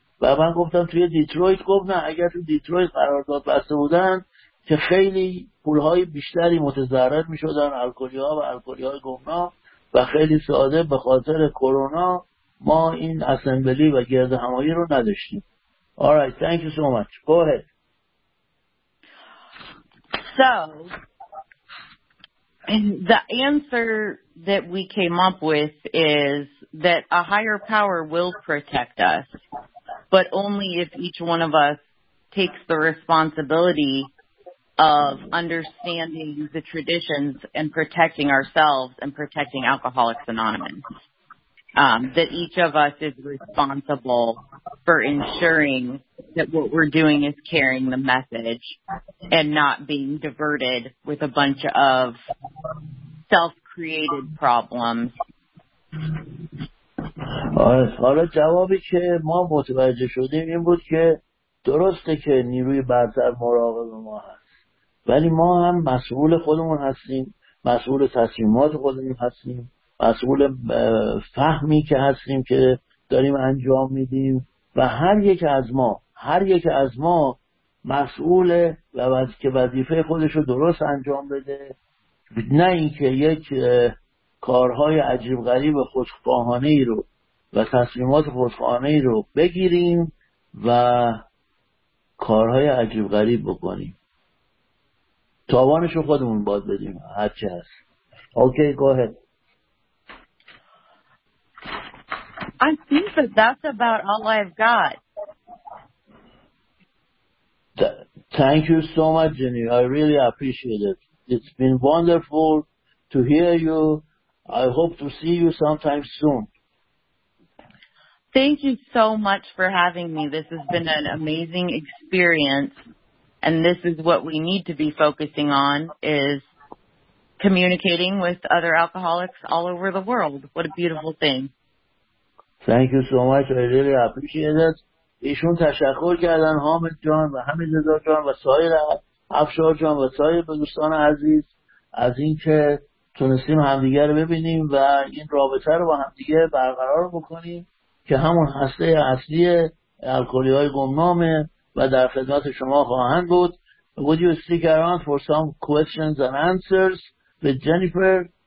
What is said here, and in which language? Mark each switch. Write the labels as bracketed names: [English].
[Persian] و من گفتم توی دیترویت، گفت نه، اگر تو دیترویت قرارداد بسته بودن که خیلی پولهای بیشتری متضرر می شدن، الکلی‌ها و الکلی‌های گمنام، و خیلی ساده به خاطر کرونا ما این اسمبلی و گرد همایی رو نداشتیم. [English] Alright, thank you so much. Go ahead. So, and the answer that we came up with is that a higher power will protect us, but only if each one of us takes the responsibility of understanding the traditions and protecting ourselves and protecting Alcoholics Anonymous, that each of us is responsible for ensuring that what we're doing is carrying the message and not being diverted with a bunch of self-created problems. [Persian] حالا جوابی که ما متوجه شدیم این بود که درسته که نیروی برتر مراقب ما هست، ولی ما هم مسئول خودمون هستیم، مسئول تصمیمات خودمون هستیم، مسئول فهمی که هستیم که داریم انجام میدیم، و هر یک از ما مسئول و وظیفه خودش رو درست انجام بده، نه اینکه یک کارهای عجیب غریب خودخواهانه ای رو و تصمیمات خودخواهانه ای رو بگیریم و کارهای عجیب غریب بکنیم. تاوانش رو خودمون باید بدیم هر چی هست. [English] Okay, go ahead. I think that that's about all I've got. Thank you so much, Jenny. I really appreciate it. It's been wonderful to hear you. I hope to see you sometime soon. Thank you so much for having me. This has been an amazing experience. And this is what we need to be focusing on, is communicating with other alcoholics all over the world. What a beautiful thing. Thank you so much. I really appreciate it. [Persian] ایشون تشکر کردن، حامد جان و حمید رضا جان و سایر افشار جان و سایر دوستان عزیز، از اینکه تونستیم همدیگه رو ببینیم و این رابطه رو با همدیگه برقرار بکنیم که همون هسته اصلی الکلی‌های گمنامه و در خدمت شما خواهند بود. [English] Would you stick around for some questions and answers with Jennifer?